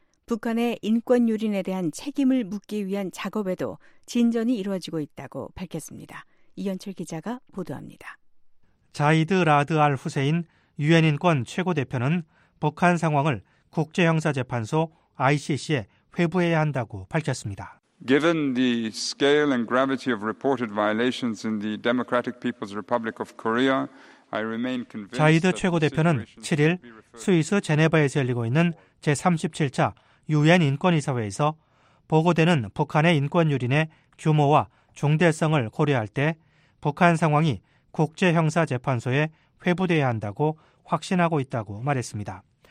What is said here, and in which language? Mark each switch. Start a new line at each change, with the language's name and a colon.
Korean: 북한의 인권 유린에 대한 책임을 묻기 위한 작업에도 진전이 이루어지고 있다고 밝혔습니다. 이현철 기자가 보도합니다. 자이드 라드 알 후세인 유엔인권 최고대표는 북한 상황을 국제형사재판소 ICC에 회부해야 한다고 밝혔습니다.
English: Given the scale and gravity of reported violations in the Democratic People's Republic of Korea, I remain convinced.
Korean: 자이드 최고대표는 7일 스위스 제네바에서 열리고 있는 제37차 유엔인권이사회에서 보고되는 북한의 인권유린의 규모와 중대성을 고려할 때 북한 상황이 국제형사재판소에 회부돼야 한다고 확신하고 있다고 말했습니다.